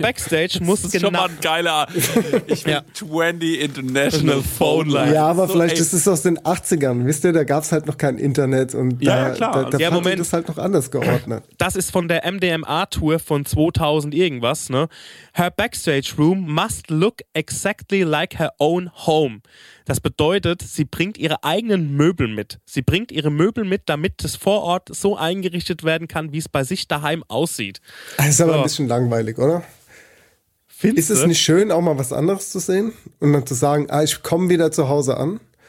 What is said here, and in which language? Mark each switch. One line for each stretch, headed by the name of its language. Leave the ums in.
German: Ihr Backstage muss Das ist schon genau. mal ein geiler. Ich will Ja.
English: 20 International Phone Lines.
German: Ja, aber So, vielleicht ey, ist es aus den 80ern. Wisst ihr, da gab es halt noch kein Internet und Ja, da, ja, klar. da, da Ja, fand Moment. ich das halt noch anders geordnet. Das ist von der MDMA-Tour von 2000 irgendwas, ne?
English: Her Backstage Room must look exactly like her own home.
German: Das bedeutet, sie bringt ihre eigenen Möbel mit. Sie bringt ihre Möbel mit, damit das Vorort so eingerichtet werden kann, wie es bei sich daheim aussieht. Das ist aber Ja. ein bisschen langweilig, oder? Findest Ist es du? nicht schön, auch mal was anderes zu sehen und dann zu sagen, ah, ich komme wieder zu Hause an?